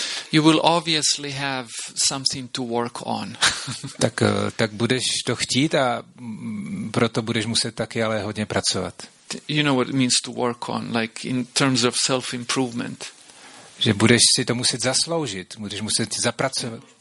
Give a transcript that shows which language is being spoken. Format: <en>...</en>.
<en>you will obviously have something to work on.</en> <cs>Tak budeš to chtít a proto budeš muset taky ale hodně pracovat.</cs> <en>You know what it means to work on, like in terms of self-improvement.</en> <cs>Že budeš si to muset zasloužit, budeš muset zapracovat.</cs>